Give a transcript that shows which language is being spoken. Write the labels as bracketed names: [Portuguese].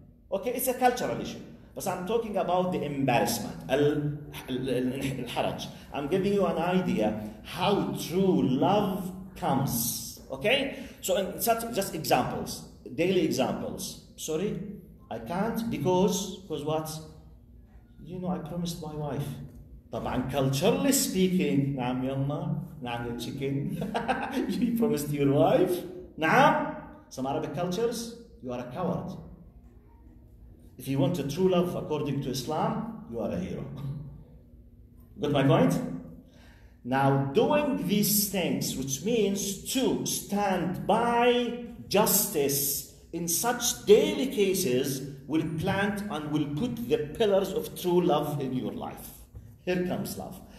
[English] Okay, it's a cultural issue. But I'm talking about the embarrassment, al-haraj. I'm giving you an idea how true love comes. Okay? So in such just examples, daily examples. Sorry, I can't because what? You know, I promised my wife. [Arabic] طبعاً [English] culturally speaking, [Arabic] نعم يا أمّا, نعم يا [English] chicken. You promised your wife. [Arabic] نعم. [English] Some Arabic cultures, you are a coward. If you want a true love according to Islam, you are a hero. Got my point? Now, doing these things, which means to stand by justice in such daily cases, will plant and will put the pillars of true love in your life. Here comes love.